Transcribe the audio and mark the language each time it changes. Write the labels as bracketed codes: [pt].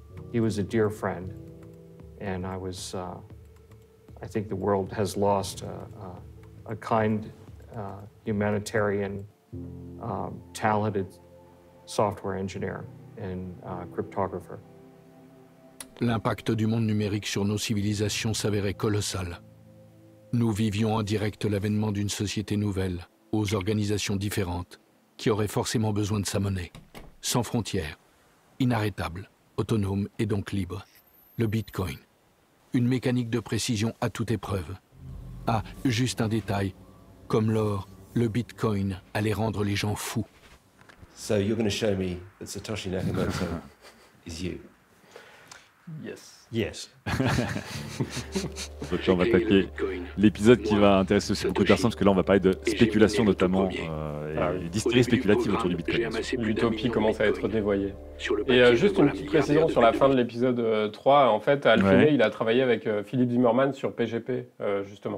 [en] He was a dear friend, and I was, I think the world has lost a kind humanitarian, talented software engineer and cryptographer. [fr] L'impact du monde numérique sur nos civilisations s'avérait colossal. Nous vivions en direct l'avènement d'une société nouvelle, aux organisations différentes, qui aurait forcément besoin de sa monnaie. Sans frontières, inarrêtable, autonome et donc libre. Le Bitcoin. Une mécanique de précision à toute épreuve. Ah, juste un détail. Comme l'or, le Bitcoin allait rendre les gens fous. [en] So you're going to show me that Satoshi Nakamoto is you. Yes. [fr] Donc on va attaquer l'épisode qui va intéresser aussi beaucoup de personnes, parce que là, on va parler de spéculation, notamment, et d'hystérie spéculative autour du Bitcoin. L'utopie commence à être dévoyée. Et juste une petite précision sur la fin de l'épisode 3. En fait, Hal Finney, il a travaillé avec Philippe Zimmermann sur PGP, justement.